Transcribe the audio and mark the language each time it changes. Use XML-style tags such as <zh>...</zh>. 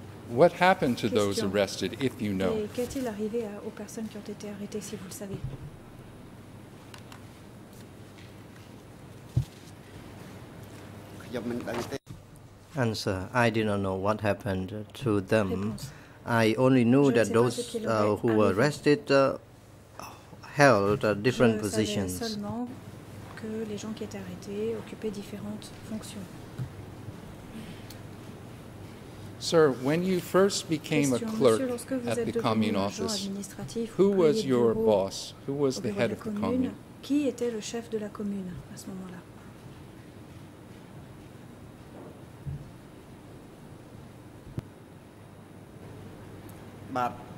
<en>What happened to those arrested, if you know?</en> <fr>Et qu'est-il arrivé aux personnes qui ont été arrêtées, si vous le savez?</fr> <en>Answer, I did not know what happened to them. I only knew that those who were arrested held different positions.</en> <fr>Que les gens qui étaient arrêtés occupaient différentes fonctions.</fr> <en>Sir, when you first became a clerk at the commune office, who was your boss? Who was the head of the commune?</en> <fr>Qui était le chef de la commune à ce moment-là?</fr>